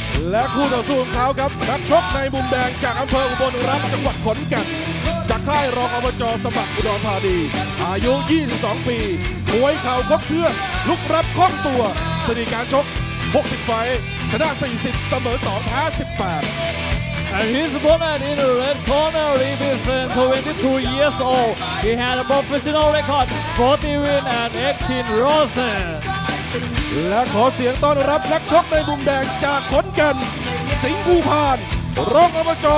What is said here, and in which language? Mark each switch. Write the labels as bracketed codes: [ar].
[th] และคู่ต่อสู้ของเขาครับนักชกในมุมแดงจากอำเภออุบลรัตน์จังหวัดขอนแก่นจากค่ายรองอบจ. สมบัติอุดรธานีอายุ22ปีมวยเข่าครบเครื่องลุกรับคล่องตัวสถิติการชก60ไฟชนะ40เสมอ2แพ้18 [en] And his opponent in the red corner, represents 22 years old. He had a professional record, 40 wins and 18 losses. [th] และขอเสียงต้อนรับนักชกในมุมแดงจากขอนแก่นสิงห์ภูพานรองอบจ.